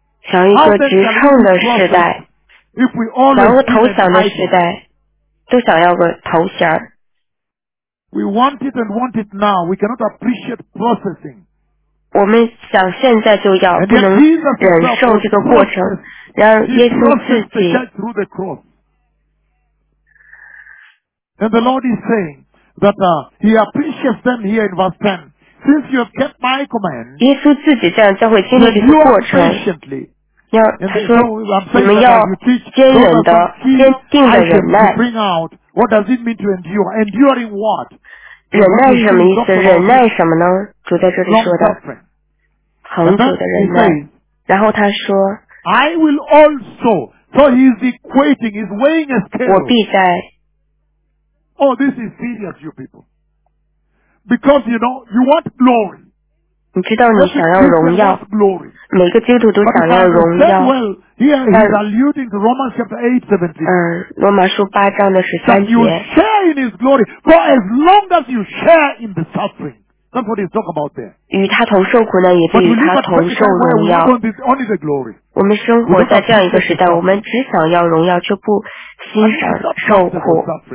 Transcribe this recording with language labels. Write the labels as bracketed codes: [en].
[zh] 想一个直冲的时代，然后投降的时代，都想要个头衔。 [en] We want it and want it now. We cannot appreciate processing. [zh] 我们想现在就要，不能忍受这个过程。然而耶稣自己。 [en] And the Lord is saying that he appreciates them here in verse 10. Since you have kept my command, [zh] 耶稣自己这样教会经历这个过程，要他说你们要坚忍的、坚定的忍耐。 [en] Bring out what does it mean to endure? Enduring what? [zh] 忍耐什么意思？忍耐什么呢？主在这里说的，恒久的忍耐。然后他说 [en] ，I will also. So he is equating, he's weighing a scale. [zh] 我必在。 [en] Oh, this is serious, you people. Because you know, you want glory. [zh] 你知道你想要荣耀。 [en] Glory. [zh] 每个基督徒都想要荣耀。 [en] Well, here he is alluding to Romans chapter 8:17. [zh] 罗马书八章的十三节。 [en] You share in his glory for as long as you share in the suffering. Somebody is talking about there. [zh] 与他同受苦呢，也必与他同受荣耀。 [en] But we live only the glory. [zh] 我们生活在这样一个时代，我们只想要荣耀，却不欣赏受苦。